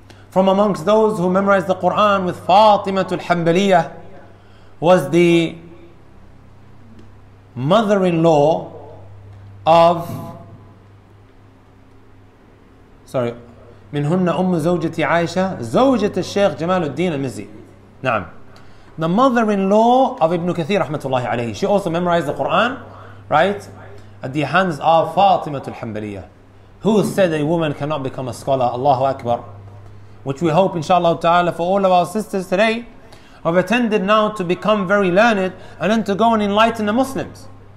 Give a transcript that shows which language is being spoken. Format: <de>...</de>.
<en>From amongst those who memorized the Qur'an with Fatima al-Hanbaliyah was the mother-in-law of... Sorry.</en> <ar>منهن أم زوجتي عائشة زوجة الشيخ جمال الدين المزي. نعم.</ar> <en>The mother-in-law of Ibn Kathir</en> <ar>رحمه الله.</ar> <en>She also memorized the Qur'an, right? At the hands of Fatima al-Hanbaliyah. Who said a woman cannot become a scholar? Allahu Akbar. Which we hope, inshallah ta'ala, for all of our sisters today who have attended now to become very learned and then to go and enlighten the Muslims.</en>